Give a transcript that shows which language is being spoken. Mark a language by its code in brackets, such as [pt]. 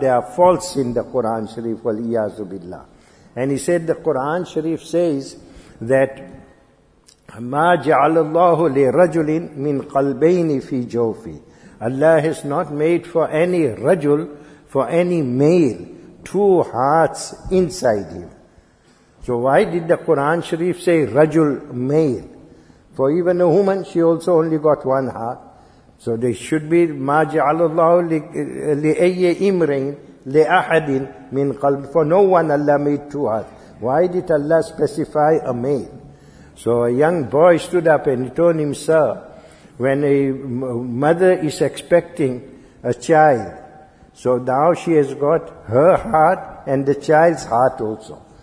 [en] There are faults in the Quran Sharif, waliyazu billah. And he said, the Quran Sharif says that [ar] مَا جَعَلَ اللَّهُ لِرَجُلٍ مِنْ قَلْبَيْنِ فِي جَوْفِ. [en] Allah has not made for any rajul, for any male, two hearts inside him. So why did the Quran Sharif say rajul, male? For even a woman, she also only got one heart. So there should be [ar] مَا جَعَلَ اللَّهُ لِأَيِّ إِمْرَيْنِ لِأَحَدٍ مِنْ قَلْبٍ. [en] For no one Allah made two hearts. Why did Allah specify a male? So a young boy stood up and told him, sir, when a mother is expecting a child, so now she has got her heart and the child's heart also.